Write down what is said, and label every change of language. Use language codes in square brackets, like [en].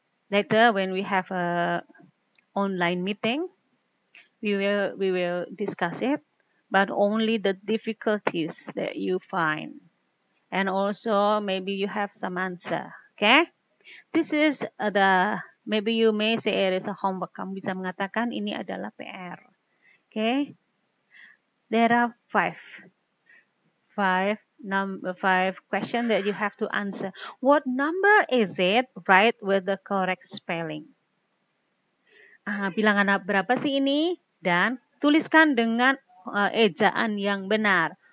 [en] Later, when we have a online meeting, we will discuss it, but only the difficulties that you find. And also, maybe you have some answer. Okay? This is the... Maybe you may say it is a homework. [id] Kamu bisa mengatakan ini adalah PR. [en] Okay? There are five questions that you have to answer. What number is it right with the correct spelling? [id] Bilangan berapa sih ini? Dan tuliskan dengan ejaan yang benar.